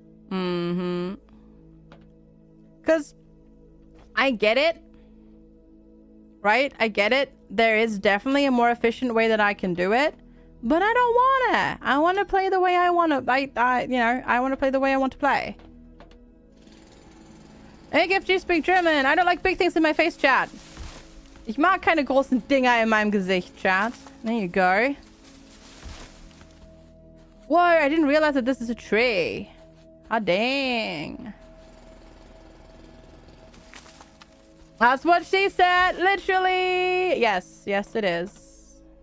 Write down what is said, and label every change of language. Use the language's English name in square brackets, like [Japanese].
[English] Mm-hmm. Because I get it. Right? I get it. There is definitely a more efficient way that I can do it. But I don't want it. I want to play the way I want to. I want to play the way I want to play. Hey, GFG, speak German. I don't like big things in my face, chat. [German] Ich mag keine großen Dinger in meinem Gesicht, chat. [English] There you go. Whoa, I didn't realize that this is a tree. Ah, dang. That's what she said, literally. Yes, yes, it is.